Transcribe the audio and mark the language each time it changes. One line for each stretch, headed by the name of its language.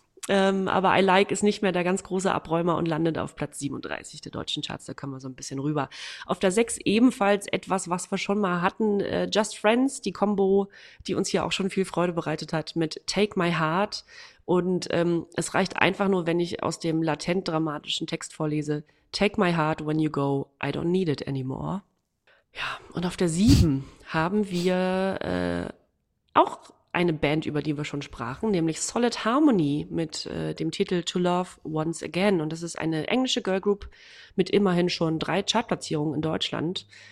German: aber I Like ist nicht mehr der ganz große Abräumer und landet auf Platz 37 der deutschen Charts. Da können wir so ein bisschen rüber. Auf der 6 ebenfalls etwas, was wir schon mal hatten. Just Friends, die Combo, die uns hier auch schon viel Freude bereitet hat mit Take My Heart. Und es reicht einfach nur, wenn ich aus dem latent dramatischen Text vorlese.
English: Take my heart when you go, I don't need it anymore.
German: Ja, und auf der 7 haben wir auch eine Band, über die wir schon sprachen, nämlich Solid Harmony mit dem Titel To Love Once Again. Und das ist eine englische Girlgroup mit immerhin schon 3 Chartplatzierungen in Deutschland.